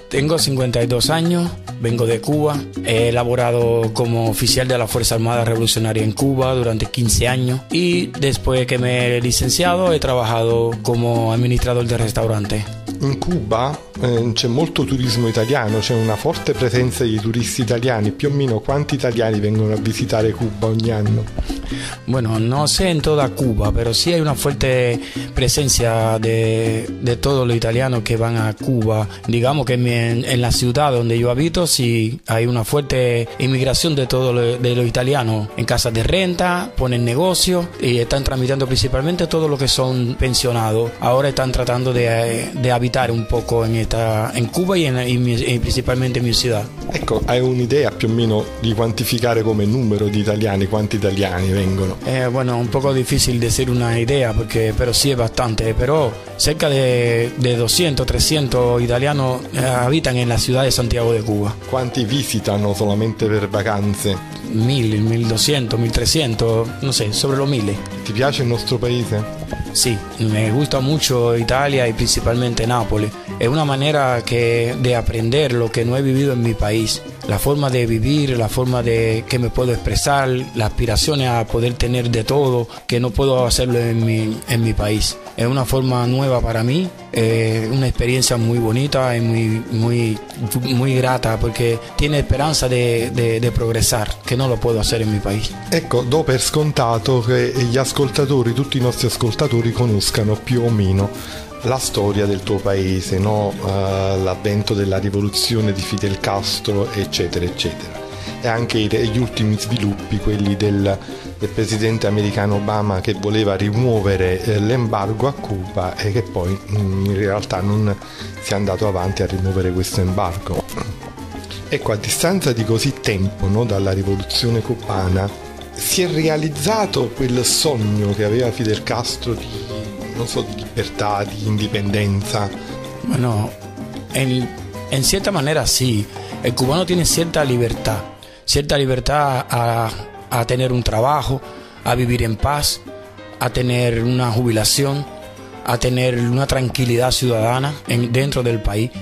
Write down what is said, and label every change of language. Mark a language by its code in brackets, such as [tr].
[it] Tengo 52 anni, vengo da Cuba, ho lavorato come ufficiale della Forza Armata Rivoluzionaria in Cuba durante 15 anni e dopo che mi ho licenziato ho lavorato come amministratore del ristorante. In Cuba c'è molto turismo italiano, c'è una forte presenza di turisti italiani. Più o meno quanti italiani vengono a visitare Cuba ogni anno? [es] Bueno, no sé en toda Cuba, pero sí hay una fuerte presencia de todos los italianos que van a Cuba. Digamos que en la ciudad donde yo habito sí hay una fuerte inmigración de todos los italianos. En casas de renta, ponen negocio y están tramitando principalmente todo lo que son pensionados. Ahora están tratando de habitar un poco en Cuba y principalmente en mi ciudad. [it] Ecco, [es] hay una [it] idea più o meno di quantificare come numero di italiani, quanti italiani vengono? [es] Bueno, un poco difícil decir una idea, porque, pero sí es bastante, pero cerca de 200, 300 italianos habitan en la ciudad de Santiago de Cuba. ¿Cuánti visitan solamente [it] per vacanze? [es] 1.000, 1.200, 1.300, no sé, sobre los 1.000. [it] ¿Te piace [es] el nuestro país? Sí, me gusta mucho Italia y principalmente Nápoles. Es una manera de aprender lo que no he vivido en mi país. país, la forma de vivir, la forma de que me puedo expresar, la aspiración a poder tener de todo, que no puedo hacerlo en mi país. Es una forma nueva para mí, una experiencia muy bonita y muy, muy, muy grata, porque tiene esperanza de progresar, que no lo puedo hacer en mi país. [it] Ecco, do per scontato che gli ascoltatori, tutti i nostri ascoltatori, conoscano più o meno la storia del tuo paese, no? L'avvento della rivoluzione di Fidel Castro, eccetera, eccetera. E anche gli ultimi sviluppi, quelli del presidente americano Obama, che voleva rimuovere l'embargo a Cuba e che poi in realtà non si è andato avanti a rimuovere questo embargo. Ecco, a distanza di così tempo, no, dalla rivoluzione cubana, si è realizzato quel sogno che aveva Fidel Castro di, non so, di libertà, di indipendenza? [es] Bueno, en cierta manera sí. El cubano tiene cierta libertad a tener un trabajo, a vivir en paz, a tener una jubilación, a tener una tranquilidad ciudadana dentro del país.